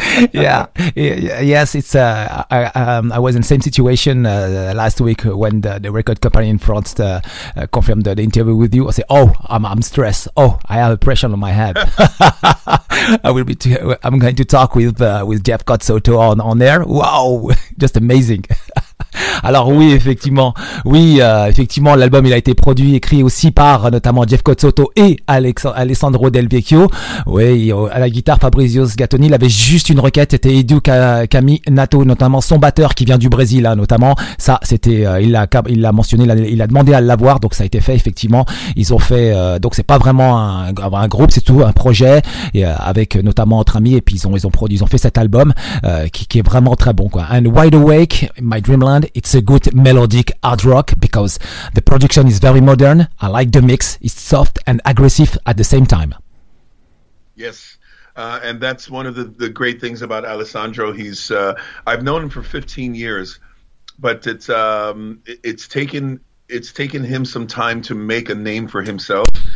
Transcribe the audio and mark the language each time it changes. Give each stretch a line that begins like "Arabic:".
English: Yes, it's I was in the same situation last week when the record company in France confirmed the interview with you. I said, oh, I'm stressed. Oh, I have a pressure on my head. I'm going to talk with Jeff Scott Soto on there. Wow, just amazing.
French: Alors oui, effectivement, effectivement, l'album il a été produit, écrit aussi par notamment Jeff Cott Soto et Alessandro Del Vecchio. Oui, à la guitare Fabrizio Sgattoni, il avait juste une requête, c'était Edu Caminato, notamment son batteur qui vient du Brésil, hein, notamment. Ça, c'était, il l'a mentionné, il a demandé à l'avoir, donc ça a été fait effectivement. Ils ont fait, donc c'est pas vraiment un groupe, c'est tout un projet et, avec notamment entre amis, et puis ils ont fait cet album qui est vraiment très bon, quoi.
English: And Wide Awake, My Dreamland. It's a good melodic hard rock because the production is very modern. I like the mix. It's soft and aggressive at the same time. Yes. And that's one of the great things about Alessandro. He's I've known him for 15 years, but it's taken him some time to make a name for himself.